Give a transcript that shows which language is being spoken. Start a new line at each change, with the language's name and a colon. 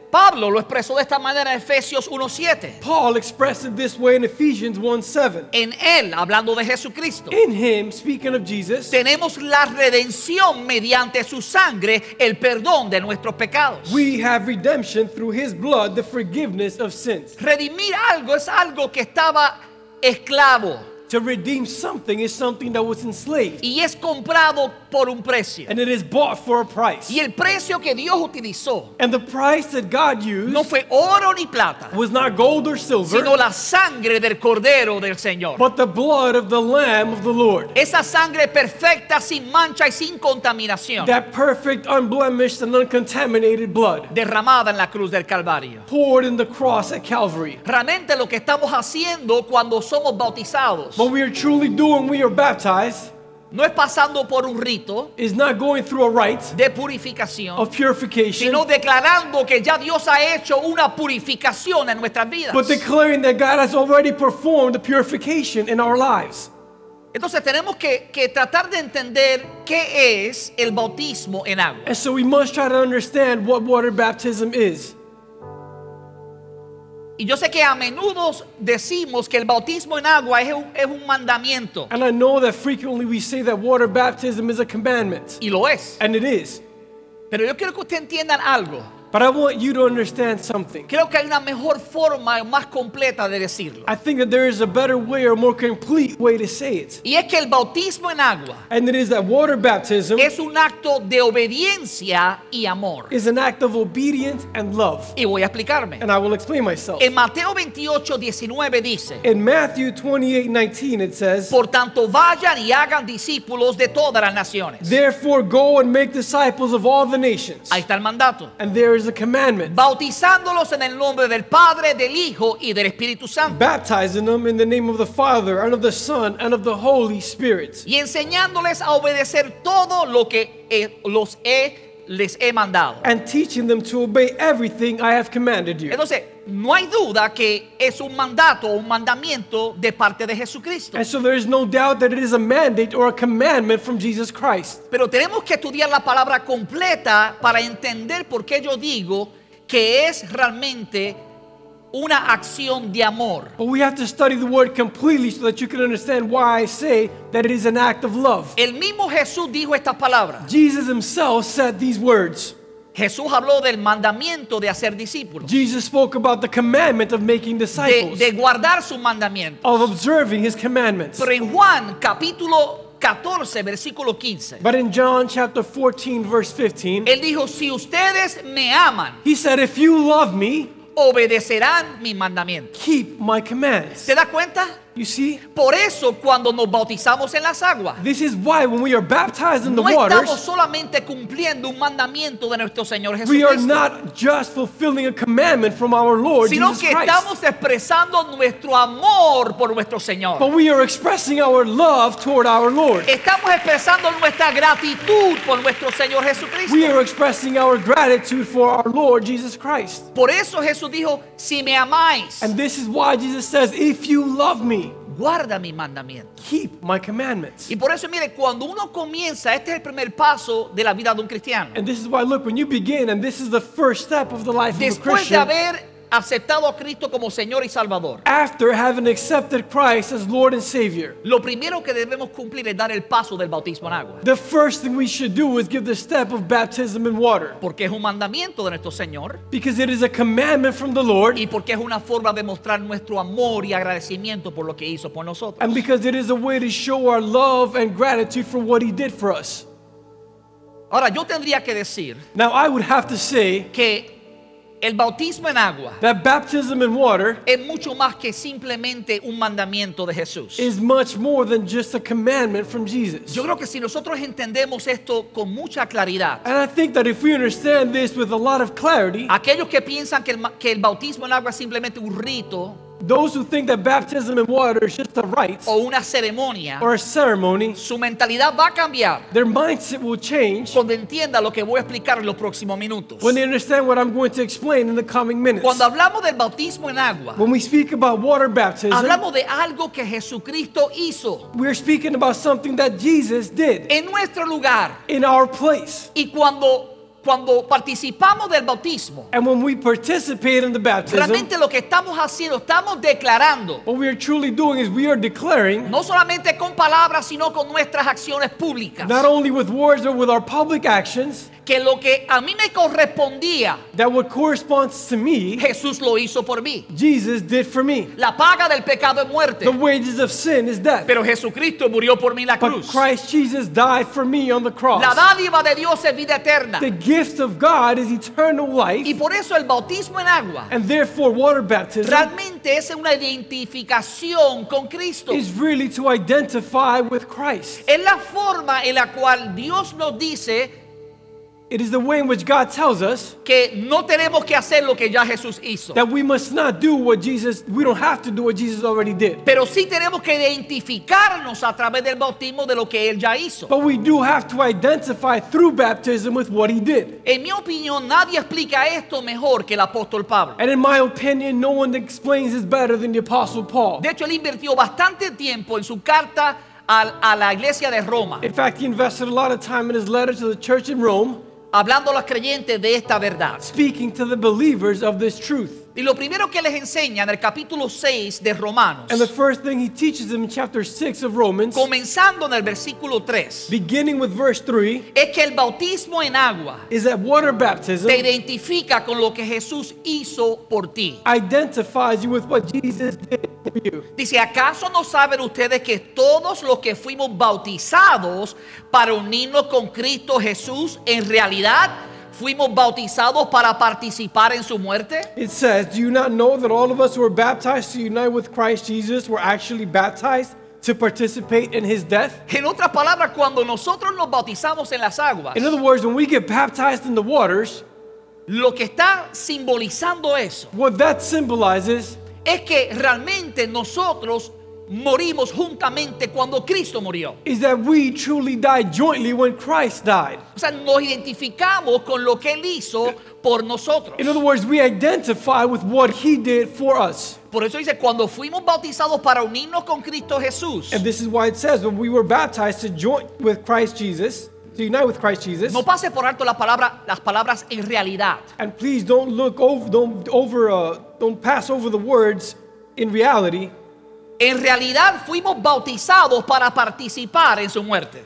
Spanish: Pablo lo expresó de esta manera en Efesios 1:7.
English: Paul expressed it this way in Ephesians 1:7.
Spanish: En él, hablando de Jesucristo.
English: In him, speaking of Jesus.
Spanish: Tenemos la redención mediante su sangre, el perdón de nuestros pecados.
English: We have redemption through his blood, the forgiveness of sins.
Spanish: Redimir algo es algo que estaba esclavo.
English: To redeem something is something that was enslaved.
Spanish: Y es comprado por un precio.
English: And it is bought for a price.
Spanish: Y el precio que Dios utilizó,
English: and the price that God used,
Spanish: no fue oro ni plata,
English: was not gold or silver,
Spanish: sino la sangre del Cordero del Señor.
English: But the blood of the Lamb of the Lord.
Spanish: Esa sangre perfecta, sin mancha y sin contaminación.
English: That perfect, unblemished and uncontaminated blood.
Spanish: Derramada en la cruz del Calvario.
English: Poured in the cross at Calvary.
Spanish: Realmente lo que estamos haciendo cuando somos bautizados,
English: what we are truly doing when we are baptized,
Spanish: no es pasando por un rito,
English: is not going through a rite
Spanish: de purificación,
English: of purification,
Spanish: sino declarando que ya Dios ha hecho una purificación en nuestras vidas,
English: but declaring that God has already performed a purification in our lives.
Spanish: Entonces tenemos que tratar de entender qué es el bautismo en agua.
English: And so we must try to understand what water baptism is.
Spanish: Y yo sé que a menudo decimos que el bautismo en agua es un mandamiento.
English: And I know that frequently we say that water baptism is a commandment.
Spanish: Y lo es.
English: And it is.
Spanish: Pero yo quiero que ustedes entiendan algo.
English: But I want you to understand something.
Spanish: Creo que hay una mejor forma o más completa de decirlo.
English: I think that there is a better way or more complete way to say it.
Spanish: Y es que el bautismo en agua,
English: and it is that water baptism,
Spanish: es un acto de obediencia y amor,
English: is an act of obedience and love.
Spanish: Y voy a explicarme.
English: And I will explain myself.
Spanish: En Mateo 28:19 dice,
English: in Matthew 28:19 it says,
Spanish: por tanto vayan y hagan discípulos de todas las naciones.
English: Therefore go and make disciples of all the nations.
Spanish: Ahí está el mandato.
English: And there is a commandment.
Spanish: Bautizándolos en el nombre del Padre, del Hijo y del Espíritu Santo.
English: Baptizing them in the name of the Father and of the Son and of the Holy Spirit.
Spanish: Y enseñándoles a obedecer todo lo que les he mandado.
English: And teaching them to obey everything I have commanded you.
Spanish: Entonces, no hay duda que es un mandato o un mandamiento de parte de Jesucristo.
English: And so there is no doubt that it is a mandate or a commandment from Jesus Christ.
Spanish: Pero tenemos que estudiar la palabra completa para entender por qué yo digo que es realmente una acción de amor.
English: But we have to study the word completely so that you can understand why I say that it is an act of love.
Spanish: El mismo Jesús dijo esta palabra.
English: Jesus himself said these words.
Spanish: Jesús habló del mandamiento de hacer discípulos.
English: Jesus spoke about the commandment of making disciples.
Spanish: De guardar sus mandamientos.
English: Of observing his commandments.
Spanish: Pero en Juan capítulo 14, versículo 15.
English: But in John chapter 14, verse 15.
Spanish: Él dijo, si ustedes me aman.
English: He said, if you love me.
Spanish: Obedecerán mis mandamientos.
English: Keep my commands.
Spanish: ¿Te das cuenta?
English: You see?
Spanish: Por eso cuando nos bautizamos en las aguas,
English: this is why when we are baptized in
Spanish: no
English: the waters,
Spanish: estamos solamente cumpliendo un mandamiento de nuestro Señor Jesucristo.
English: We are not just fulfilling a commandment from our Lord Jesus Christ.
Spanish: Sino que estamos expresando nuestro amor por nuestro Señor.
English: But we are expressing our love toward our Lord.
Spanish: Estamos expresando nuestra gratitud por nuestro Señor Jesucristo.
English: We are expressing our gratitude for our Lord Jesus Christ.
Spanish: Por eso Jesús dijo, si me amáis.
English: And this is why Jesus says, if you love me,
Spanish: guarda mi mandamiento.
English: Keep my commandments.
Spanish: Y por eso mire, cuando uno comienza, este es el primer paso de la vida de un cristiano.
English: And this is why, look, when you begin, and this is the first step of the life
Spanish: después
English: of a Christian.
Spanish: Después de haber aceptado a Cristo como Señor y Salvador,
English: after having accepted Christ as Lord and Savior,
Spanish: lo primero que debemos cumplir es dar el paso del bautismo en agua.
English: The first thing we should do is give the step of baptism in water.
Spanish: Porque es un mandamiento de nuestro Señor.
English: Because it is a commandment from the Lord.
Spanish: Y porque es una forma de mostrar nuestro amor y agradecimiento por lo que hizo por nosotros.
English: And because it is a way to show our love and gratitude for what he did for us.
Spanish: Ahora yo tendría que decir,
English: now I would have to say,
Spanish: que el bautismo en agua,
English: that baptism in water,
Spanish: es mucho más que simplemente un mandamiento de Jesús.
English: Is much more than just a commandment from Jesus.
Spanish: Yo creo que si nosotros entendemos esto con mucha claridad,
English: and I think that if we understand this with a lot of clarity,
Spanish: aquellos que piensan que el bautismo en agua es simplemente un rito,
English: those who think that baptism in water is just a rite,
Spanish: o una ceremonia,
English: or a ceremony,
Spanish: su mentalidad va a cambiar.
English: Their mindset will change
Spanish: cuando entienda lo que voy a explicar en los próximos minutos.
English: When they understand what I'm going to explain in the coming minutes.
Spanish: Cuando hablamos del bautismo en agua,
English: when we speak about water baptism,
Spanish: hablamos de algo que Jesucristo hizo.
English: We're speaking about something that Jesus did
Spanish: en nuestro lugar,
English: in our place.
Spanish: Y cuando participamos del bautismo,
English: and when we participate in the baptism,
Spanish: realmente lo que estamos haciendo, estamos declarando,
English: what we are truly doing is we are declaring,
Spanish: no solamente con palabras sino con nuestras acciones públicas,
English: not only with words but with our public actions,
Spanish: que lo que a mí me correspondía,
English: that what corresponds to me,
Spanish: Jesús lo hizo por mí,
English: Jesus did for me.
Spanish: La paga del pecado es muerte,
English: the wages of sin is death,
Spanish: pero Jesucristo murió por mí en la cruz,
English: but Christ Jesus died for me on the cross.
Spanish: La dádiva de Dios es vida eterna,
English: the gift of God is eternal life.
Spanish: Y por eso el bautismo en agua,
English: and therefore water baptism,
Spanish: realmente es una identificación con Cristo,
English: is really to identify with Christ.
Spanish: Es la forma en la cual Dios nos dice,
English: it is the way in which God tells us,
Spanish: que no tenemos que hacer lo que ya Jesús hizo,
English: that we must not do what Jesus, we don't have to do what Jesus already did,
Spanish: pero sí tenemos que identificarnos a través del bautismo de lo que él ya hizo,
English: but we do have to identify through baptism with what he did.
Spanish: En mi opinión, nadie explica esto mejor que el apóstol Pablo.
English: And in my opinion, no one explains this better than the apostle Paul.
Spanish: De hecho, él invirtió bastante tiempo en su carta a la iglesia de Roma.
English: In fact, he invested a lot of time in his letter to the church in Rome,
Spanish: hablando a los creyentes de esta verdad.
English: Speaking to the believers of this truth.
Spanish: Y lo primero que les enseña en el capítulo 6 de Romanos,
English: and the first thing he teaches them in chapter 6 of Romans,
Spanish: comenzando en el versículo 3,
English: beginning with verse 3,
Spanish: es que el bautismo en agua,
English: is that water baptism,
Spanish: te identifica con lo que Jesús hizo por ti,
English: identifies you with what Jesus did for you.
Spanish: Dice, ¿acaso no saben ustedes que todos los que fuimos bautizados para unirnos con Cristo Jesús, en realidad fuimos bautizados para participar en su muerte?
English: It says, do you not know that all of us who were baptized to unite with Christ Jesus were actually baptized to participate in his death?
Spanish: En otras palabras, cuando nosotros nos bautizamos en las aguas,
English: in other words, when we get baptized in the waters,
Spanish: lo que está simbolizando eso,
English: what that symbolizes,
Spanish: es que realmente nosotros morimos juntamente cuando Cristo murió.
English: Is that we truly died jointly when Christ died.
Spanish: O sea, nos identificamos con lo que él hizo por nosotros.
English: In other words, we identify with what he did for us.
Spanish: Por eso dice, cuando fuimos bautizados para unirnos con Cristo Jesús.
English: And this is why it says, when we were baptized to join with Christ Jesus, to unite with Christ Jesus.
Spanish: No pase por alto las palabras en realidad.
English: And please don't look over, don't pass over the words in reality.
Spanish: En realidad fuimos bautizados para participar en su muerte.